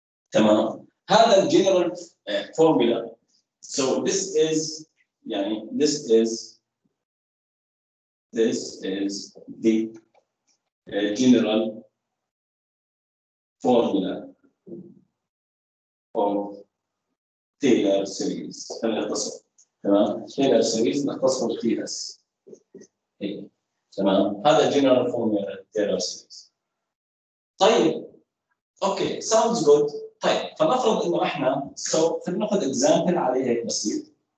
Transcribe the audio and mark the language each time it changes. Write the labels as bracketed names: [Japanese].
[Arabic] تمام؟ هذا الجنرال فورمولا. [English] So this is يعني this is the general formula of Taylor series. [Arabic] فلنختصر. تمام؟ تايلر سيريز نختصر في اس. تمام؟ هذا جنرال فورمولا تايلر سيريز. طيب اوكي ساوندز جود. طيب فنفرض انه احنا فبناخذ اكزامبل عليه هيك بسيط.